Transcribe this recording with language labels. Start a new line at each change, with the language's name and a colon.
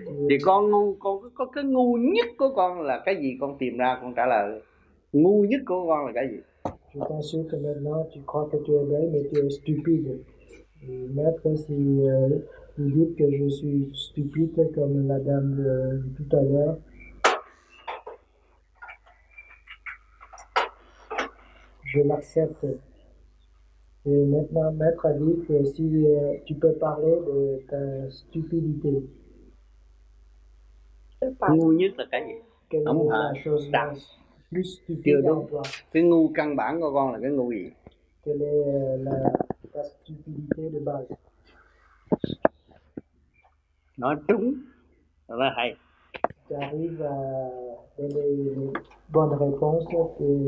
Vietnamese: Thì con ngu, con có cái ngu nhất của con là cái gì, con tìm ra con trả lời. Ngu nhất của con là cái gì?
French: Je pense que maintenant tu crois que tu es belle mais tu es stupide. Maître, si tu dis que je suis stupide comme la dame tout à l'heure. Je l'accepte. Et maintenant, maître a dit que si tu peux parler de ta stupidité.
Vietnamese: Ngu nhất là cái gì?
French: Quelle est la chose la plus stupide en toi?
Vietnamese: Cái ngu căn bản của con là cái ngu gì?
French: Quelle est ta stupidité de base?
Vietnamese: Nói trúng, là hay.
French: Tu arrives à donner une bonne réponse que...